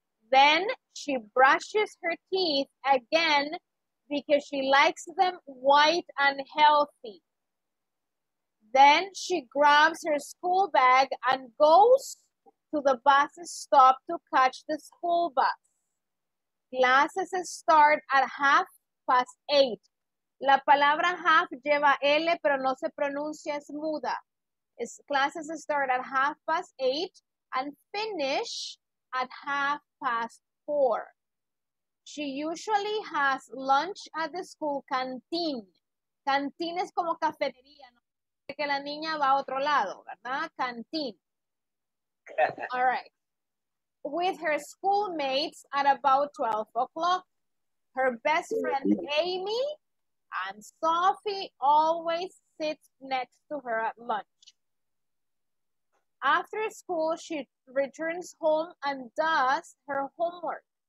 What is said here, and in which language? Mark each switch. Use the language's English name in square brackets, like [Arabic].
[English] Then she brushes her teeth again because she likes them white and healthy. Then she grabs her school bag and goes to the bus stop to catch the school bus. Classes start at 8:30. [Spanish] La palabra half lleva L, pero no se pronuncia, es muda. [English] Classes start at 8:30 and finish at 4:30. She usually has lunch at the school canteen. [Spanish] Canteen es como cafetería, ¿no? Que la niña va a otro lado, ¿verdad? [English] Canteen. All right. With her schoolmates at about 12 o'clock, her best friend Amy and Sophie always sit next to her at lunch. After school, she returns home and does her homework.